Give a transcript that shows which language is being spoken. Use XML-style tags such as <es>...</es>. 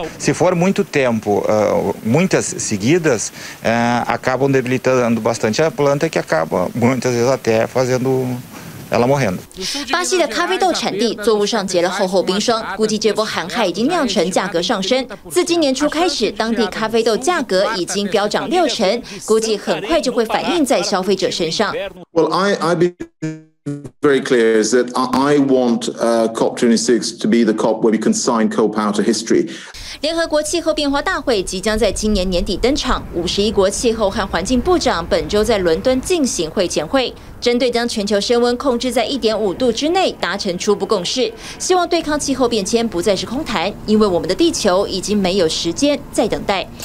<pt>Se for muito tempo, muitas seguidas, acabam debilitando bastante a planta, que acaba muitas vezes até fazendo</pt> <zh>巴西的咖啡豆产地作物上结了厚厚冰霜，估计这波寒害已经酿成价格上升。自今年初开始，当地咖啡豆价格已经飙涨60%，估计很快就会反映在消费者身上。</zh> <en>Well, I be very clear is that I want COP26 to be the COP where we can sign COP out of history.</en> <zh>联合国气候变化大会即将在今年年底登场，51国气候和环境部长本周在伦敦进行会前会，针对将全球升温控制在 1.5 度之内达成初步共识，希望对抗气候变迁不再是空谈，因为我们的地球已经没有时间再等待。</zh>